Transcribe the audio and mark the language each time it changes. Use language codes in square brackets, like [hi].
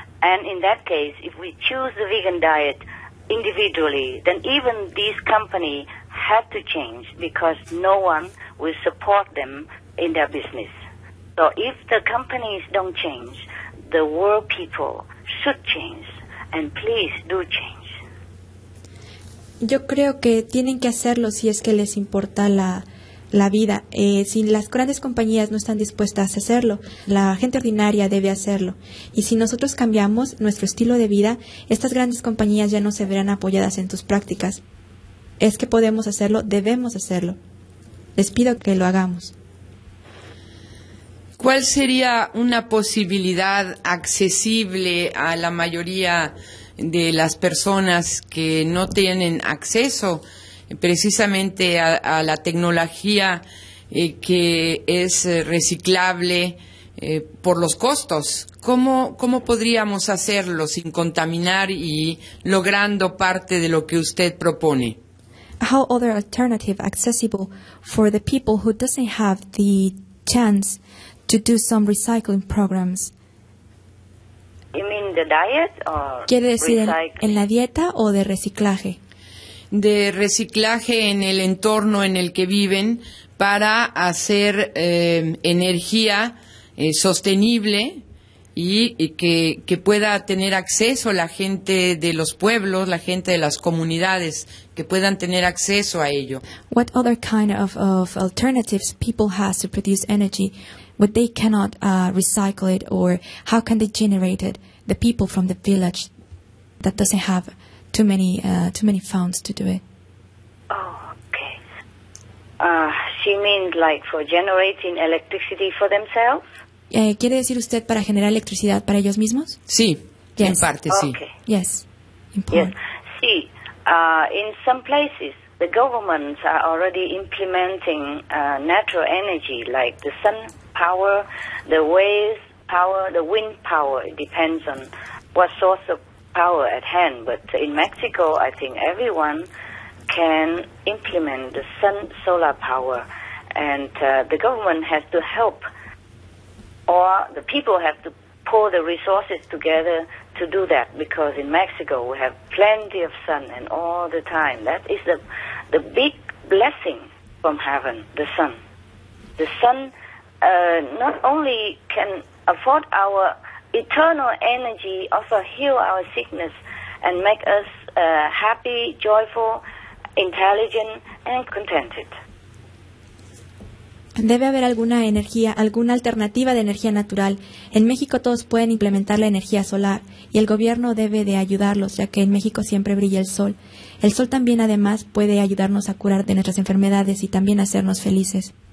[en] And in that case, if we choose the vegan diet individually, then even these companies have to change, because no one will support them in their business. So if the companies don't change, the world people should change, and please do change. [es] Yo creo que tienen que hacerlo si es que les importa la vida. Si las grandes compañías no están dispuestas a hacerlo, la gente ordinaria debe hacerlo. Y si nosotros cambiamos nuestro estilo de vida, estas grandes compañías ya no se verán apoyadas en tus prácticas. Es que podemos hacerlo, debemos hacerlo. Les pido que lo hagamos. ¿Cuál sería una posibilidad accesible a la mayoría de las personas que no tienen acceso precisamente a la tecnología que es reciclable por los costos? ¿Cómo podríamos hacerlo sin contaminar y logrando parte de lo que usted propone? [en] How other alternative accessible for the people who doesn't have the chance to do some recycling programs? You mean the diet or [es] ¿quiere decir [en] recycling? [es] ¿En la dieta o de reciclaje? De reciclaje en el entorno en el que viven para hacer energía sostenible y que pueda tener acceso la gente de los pueblos, la gente de las comunidades, que puedan tener acceso a ello. [en] What other kind of alternatives people has to produce energy? But they cannot recycle it, or how can they generate it? The people from the village that doesn't have too many funds to do it. Oh, okay. She means like for generating electricity for themselves? [es] ¿Quiere decir usted para generar electricidad para ellos mismos? Sí, yes. En parte, sí. [en] Okay. Yes, in part. Yes. See, in some places, the governments are already implementing natural energy, like the sun power, the waves power, the wind power. It depends on what source of power at hand. But in Mexico, I think everyone can implement the sun solar power. And the government has to help, or the people have to pull the resources together to do that, because in Mexico we have plenty of sun and all the time. That is the big blessing from heaven, the sun. The sun not only can afford our eternal energy, also heal our sickness and make us happy, joyful, intelligent, and contented. [es] Debe haber alguna energía, alguna alternativa de energía natural. En México todos pueden implementar la energía solar y el gobierno debe de ayudarlos, ya que en México siempre brilla el sol. El sol también, además, puede ayudarnos a curar de nuestras enfermedades y también hacernos felices.